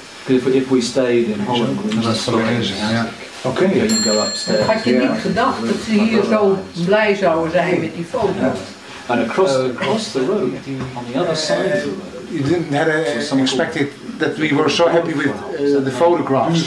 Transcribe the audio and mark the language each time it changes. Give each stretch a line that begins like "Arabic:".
English: if we stayed in Holland, we would have been in the attic. Oké.
Dutch: Had je niet gedacht dat ze hier zo blij zouden zijn met die foto's?
English: And across the road, on the other side of the road. You didn't have expected that we were so happy with the photographs.